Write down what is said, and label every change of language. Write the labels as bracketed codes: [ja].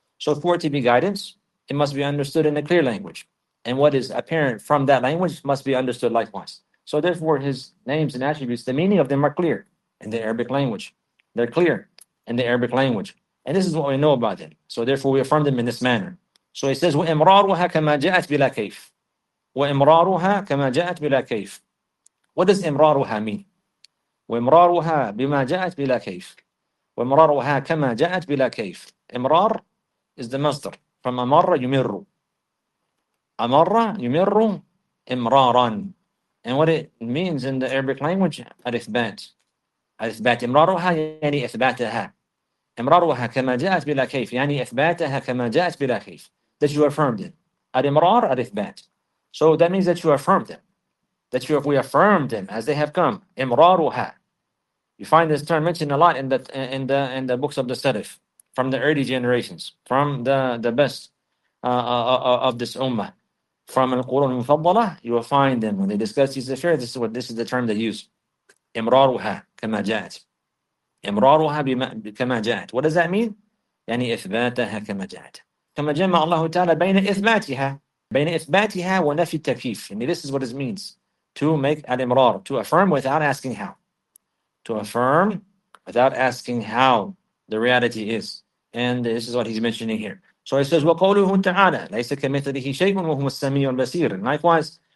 [en] So for it to be guidance, it must be understood in a clear language. And what is apparent from that language must be understood likewise. So therefore, His names and attributes, the meaning of them are clear in the Arabic language. They're clear in the Arabic language. And this is what we know about them. So therefore, we affirm them in this manner. [ar] So He says, وَإِمْرَارُهَا كَمَا جَاءَتْ بِلَا كَيْفٍ. وَإِمْرَارُهَا كَمَا جَاءَتْ بِلَا كَيْفٍ. [en] What does [ar] إِمْرَارُهَا mean? وَإِمْرَارُهَا بِمَا جَاءَتْ بِلَا كَيْفٍ. وَإِمْرَارُهَا كَمَا جَاءَتْ بِلَا كَيْفٍ. إِمْرَار [en] is the [ar] مصدر. From أَمَرَّ يُمِرُّ. أَمَرَّ يُمِرُّ إِمْرَارًا. [en] And what it means in the Arabic language, الإثبات. [ar] الإثبات. إِمْرَارُهَا يعني إثباتها. إِمْرَارُهَا كَمَا جَاءَتْ بِلَا كَيْفٍ. يعني إثباتها كَمَا جَاءَتْ بِلَا كَيْفٍ. [en] That you affirmed it. [ar] الإمرار الإثبات. [en] So that means that you affirm them. That you, if we affirm them as they have come, imraruha. You find this term mentioned a lot in the books of the Salaf, from the early generations, from the best of this ummah, from al-Qurun al-Mufaddalah. You will find them when they discuss these affairs. This is the term they use, imraruha kama jaat. Imraruha kama jaat. What does that mean? [ar] يعني إثباتها كما جاءت. كما جمع الله تعالى بين إثباتها. بين إثباتها ونفي التكييف. [en] And this is what it means. To make al-imrar. To affirm without asking how. To affirm without asking how the reality is. And this is what he's mentioning here. So it says, [ar] وَقَوْلُهُ تَعَالَى لَيْسَ كَمِثْلِهِ شَيْءٌ وَهُمَ السَّمِيعُ الْبَصِيرُ. [en] Likewise,